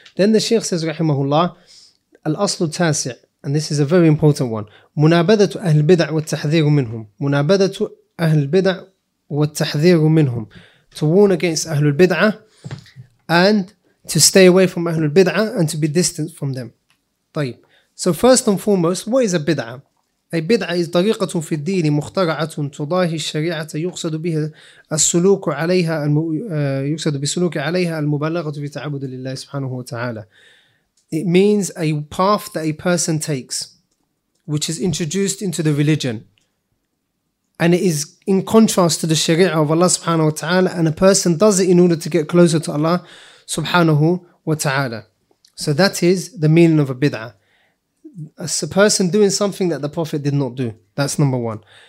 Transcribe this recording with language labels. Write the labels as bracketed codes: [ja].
[en] Then the Shaykh says, rahimahullah, [ar] al-aslu tasi', [en] and this is a very important one, [ar] munabadatu ahl bid'a wa tahdhiru minhum, [en] munabadatu ahl bid'a wa tahdhiru minhum, to warn against Ahlul Bid'ah and to stay away from Ahlul Bid'ah and to be distant from them. [ar] طيب. [en] So first and foremost, what is a Bid'ah? A Bid'ah is [ar] طريقة في الدين مخترعة تضاهي الشريعة يقصد بها السلوك عليها يقصد بسلوك عليها المبالغة في تعبد لله سبحانه وتعالى. [en] It means a path that a person takes which is introduced into the religion, and it is in contrast to the sharia of Allah subhanahu wa ta'ala, and a person does it in order to get closer to Allah subhanahu wa ta'ala. So that is the meaning of a bid'ah. It's a person doing something that the Prophet did not do. That's number one.